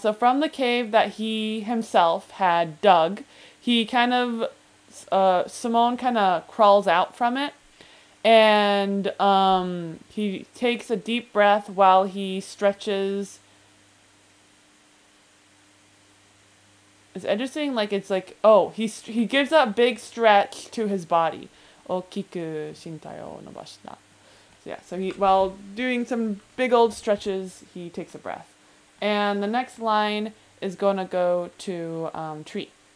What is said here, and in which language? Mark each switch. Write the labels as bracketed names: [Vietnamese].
[English] So from the cave that he himself had dug, he kind of Simone kind of crawls out from it. And he takes a deep breath while he stretches. It's interesting, like, it's like, oh, he gives a big stretch to his body. [Japanese] 大きく身体を伸ばした. [English] So, yeah, so he, while doing some big old stretches, he takes a breath. And the next line is going to go to Tree.